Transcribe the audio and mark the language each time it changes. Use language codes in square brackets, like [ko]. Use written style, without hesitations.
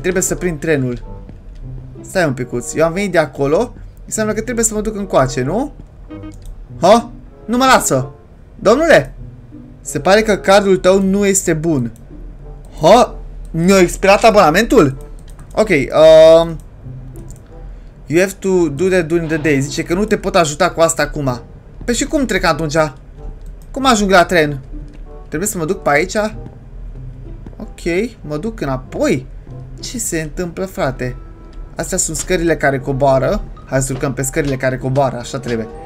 [ro] Trebuie să prind trenul. Stai un picuț. Eu am venit de acolo. Înseamnă că trebuie să mă duc încoace, nu? Ha? Nu mă lasă. Domnule? Se pare că cardul tău nu este bun. Ha? Mi-a expirat abonamentul? [en] Ok, you have to do that during the day. [ro] Zice că nu te pot ajuta cu asta acum. Păi și cum trec atunci? Cum ajung la tren? Trebuie să mă duc pe aici? Ok, mă duc înapoi? Ce se întâmplă, frate? Astea sunt scările care coboară. Hai să urcăm pe scările care coboară, așa trebuie.